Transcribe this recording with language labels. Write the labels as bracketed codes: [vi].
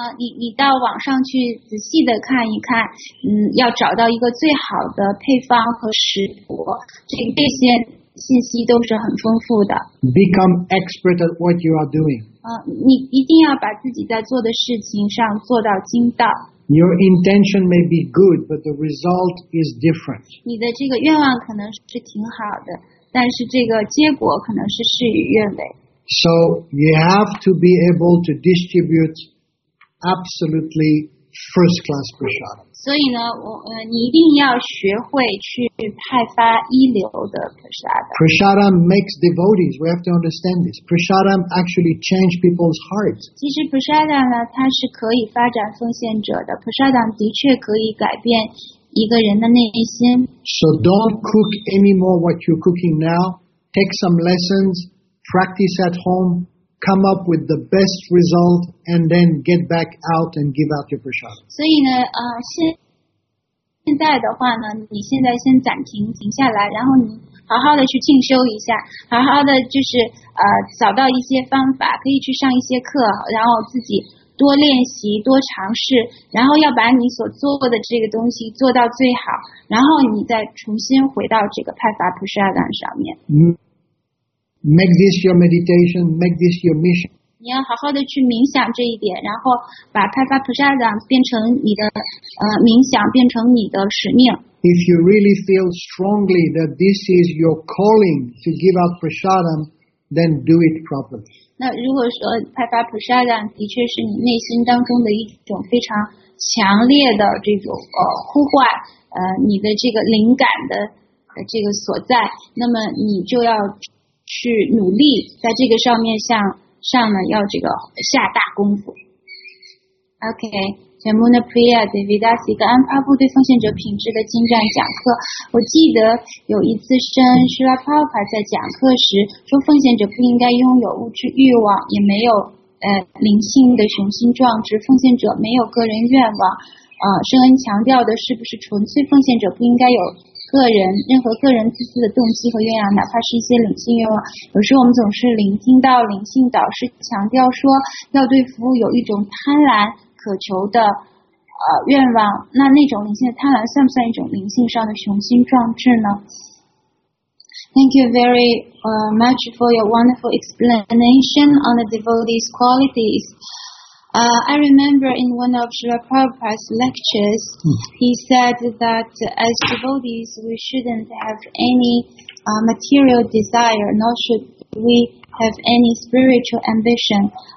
[zh] 你到网上去仔细的看一看，要找到一个最好的配方和食谱，这些信息都是很丰富的。 [en] Become expert at what you are doing. [zh] 你一定要把自己在做的事情上做到精到。 [en] Your intention may be good, but the result is different. [zh] 你的这个愿望可能是挺好的。但是这个结果可能是事与愿违。 [en] So you have to be able to distribute absolutely first-class prasadam. [zh] 所以呢，你一定要学会去派发一流的 prasadam. [en] Prasadam makes devotees. We have to understand this. Prasadam actually changes people's hearts. [zh] 其实 prasadam 呢，它是可以发展奉献者的。 prasadam 的确可以改变。一个人的内心。 [en] So don't cook anymore what you're cooking now. Take some lessons, practice at home, come up with the best result, and then get back out and give out your prasadam. [zh] 所以呢，现在的话呢，你现在先暂停，停下来，然后你好好的去进修一下，好好的就是找到一些方法，可以去上一些课，然后自己。多练习多尝试，然后要把你所做的这个东西做到最好，然后你再重新回到这个派发普沙丹上面。 [en] Make this your meditation, make this your mission. [zh] 你要好好的去冥想这一点，然后把派发普沙丹变成你的冥想，变成你的使命。 [en] If you really feel strongly that this is your calling to give out prasadam, then do it properly. [zh] 那如果说派发普沙丹的确是你内心当中的一种非常强烈的这种呼唤，你的这个灵感的这个所在，那么你就要去努力在这个上面上呢，要这个下大功夫。 OK, Jamuna Priya Devidasi 跟安帕布对奉献者品质的精湛讲课，我记得有一次圣施拉帕帕在讲课时说，奉献者不应该拥有物质欲望，也没有灵性的雄心壮志，奉献者没有个人愿望。圣恩强调的是不是纯粹奉献者不应该有任何个人自私的动机和愿望，哪怕是一些灵性愿望。有时候我们总是聆听到灵性导师强调说，要对服务有一种贪婪渴求的愿望，那种灵性的贪婪算不算一种灵性上的雄心壮志呢？ [en] Thank you very much for your wonderful explanation on the devotee's qualities. I remember in one of Srila Prabhupada's lectures, he said that as devotees, we shouldn't have any material desire, nor should we have any spiritual ambition.